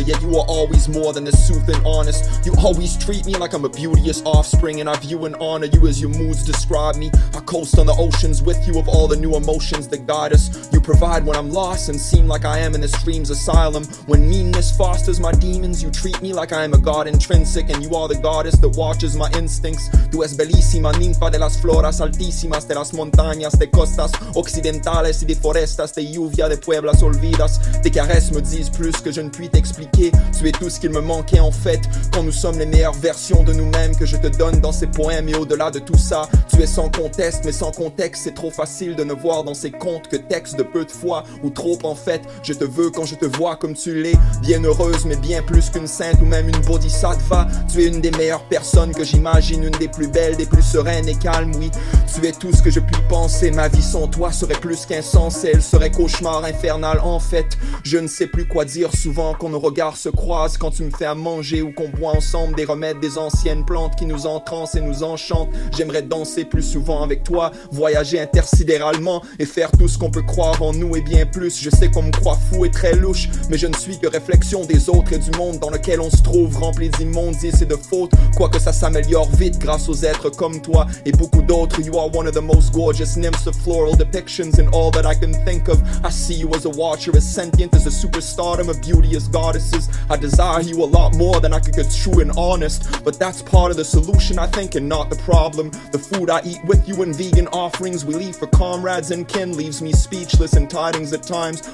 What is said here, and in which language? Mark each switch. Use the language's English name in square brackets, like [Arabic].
[English] Yet you are always more than the sooth and honest. You always treat me like I'm a beauteous offspring, and I view and honor you as your moods describe me. I coast on the oceans with you of all the new emotions that guide us. You provide when I'm lost and seem like I am in this dream's asylum. When meanness fosters my demons, you treat me like I am a god intrinsic, and you are the goddess that watches my instincts. [French] Tu es [Italian] bellissima [Spanish] ninfa de las floras altísimas, de las montañas, de costas occidentales y de forestas, de lluvia, de pueblas olvidas. [French] Tes caresses me disent plus que je ne puis t'expliquer. Tu es tout ce qu'il me manquait en fait. Quand nous sommes les meilleures versions de nous-mêmes, que je te donne dans ces poèmes et au-delà de tout ça, tu es sans conteste, mais sans contexte. C'est trop facile de ne voir dans ces contes que texte de peu de foi ou trop en fait. Je te veux quand je te vois comme tu l'es, bien heureuse, mais bien plus qu'une sainte ou même une bodhisattva. Tu es une des meilleures personnes que j'imagine, une des plus belles, des plus sereines et calmes, oui. Tu es tout ce que je puis penser, ma vie sans toi serait plus qu'insensée, elle serait cauchemar infernal en fait. Je ne sais plus quoi dire souvent quand nos regards se croisent, quand tu me fais à manger ou qu'on boit ensemble des remèdes des anciennes plantes qui nous entrancent et nous enchantent. J'aimerais danser plus souvent avec toi, voyager intersidéralement et faire tout ce qu'on peut croire en nous et bien plus. Je sais qu'on me croit fou et très louche, mais je ne suis que réflexion des autres et du monde dans lequel on se trouve, rempli d'immondices et de fautes, quoique ça s'améliore vite grâce aux êtres comme toi et beaucoup d'autres. [English] You are one of the most gorgeous nymphs of floral depictions and all that I can think of. I see you as a watcher, as sentient, as a superstardom of beauteous goddesses. I desire you a lot more than I could get true and honest, but that's part of the solution, I think, and not the problem. The food I eat with you and vegan offerings we leave for comrades and kin leaves me speechless and tidings at times.